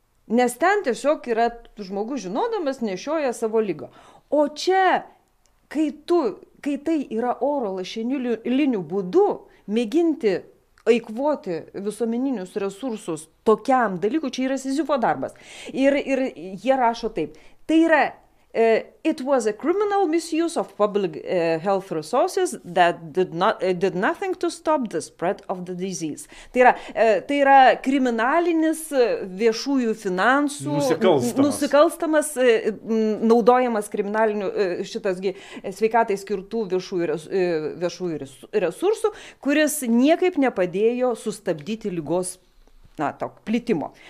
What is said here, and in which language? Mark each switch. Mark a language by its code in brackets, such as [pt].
[lt] Nes ten tiesiog yra žmogus žinodamas nešioja savo lygą. O čia, kai tu, kai tai yra oro lašinių linių būdu, mėginti eikvoti visuomeninius resursus tokiam dalykui, čia yra Sizifo darbas. Ir jie rašo taip. Tai yra, [en] it was a criminal misuse of public health resources that did nothing to stop the spread of the disease. [lt] Tai yra, tai yra kriminalinis viešųjų finansų nusikalstamas naudojamas kriminalinių sveikatai skirtų viešųjų resursų, kuris niekaip nepadėjo sustabdyti ligos plitimo.